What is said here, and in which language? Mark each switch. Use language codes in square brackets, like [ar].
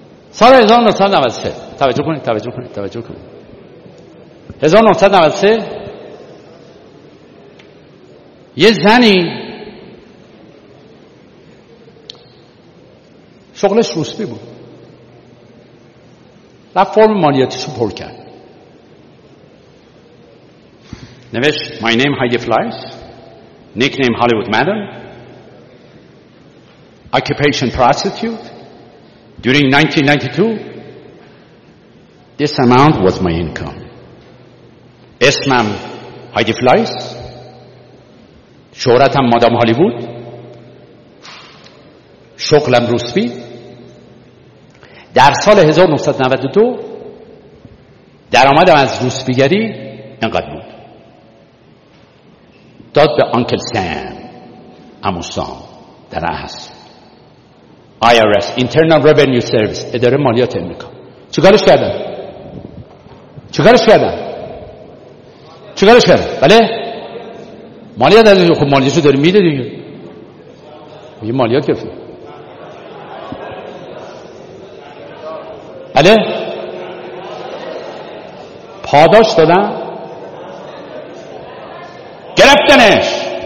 [fa] سال 1993، توجه کنید، توجه کنید، توجه کنید، 1993 یه زنی شغلش روسپی بود، رفت فرم مالیاتیشو پر کرد، نوشت [en] My name Heidi Fleiss, nickname Hollywood Madam, occupation prostitute. During 1992, this amount was my income. [fa] اسمم هایدی فلایس، شهرتم مادام هالیوود، شغلم روسپی. در سال 1992 درآمدم از روسپیگری اینقدر بود. داد به آنکل سام، عمو سام در اصل. IRS Internal Revenue Service، اداره مالیات امریکا. چیکارش کردن؟ چیکارش کردن؟ چیکارش کردن؟ بله؟ مالیات از خب مالیاتو داری میده دیگه. یه مالیات گرفت. بله؟ پاداش دادن؟ گرفتنش.